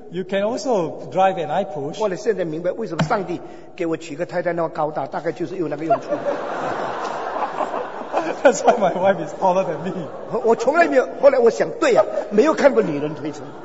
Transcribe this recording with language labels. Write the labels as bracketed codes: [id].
[en] You can also drive and I push. [zh] 我现在明白为什么上帝给我娶个太太那么高大，大概就是有那个用处。 [en] That's why my wife is taller than me. [zh] 我从来没有，后来我想，对啊，没有看过女人推车。